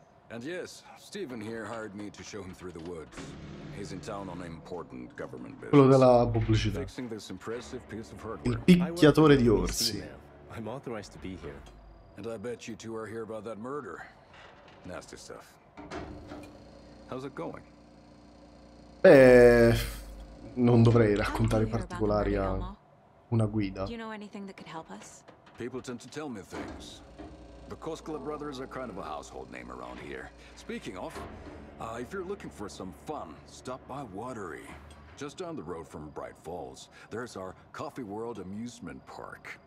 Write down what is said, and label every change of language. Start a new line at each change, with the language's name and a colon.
English: And yes, Stephen here hired me to show him through the woods. He's in town on important government business.
Italian: Quello della pubblicità.
English: Fixing this impressive piece of hardware.
Italian: Il picchiatore di orsi.
English: I'm authorized to be here. And I bet you two are here about that murder. Nasty stuff. How's it going?
Italian: Beh, non dovrei raccontare particolari a una guida.
English: Do you know anything that could help us? People tend to tell me things. The Koskela brothers are kind of a household name around here. Speaking of, if you're looking for some fun, stop by Watery. Just down the road from Bright Falls, there's our Coffee World amusement park.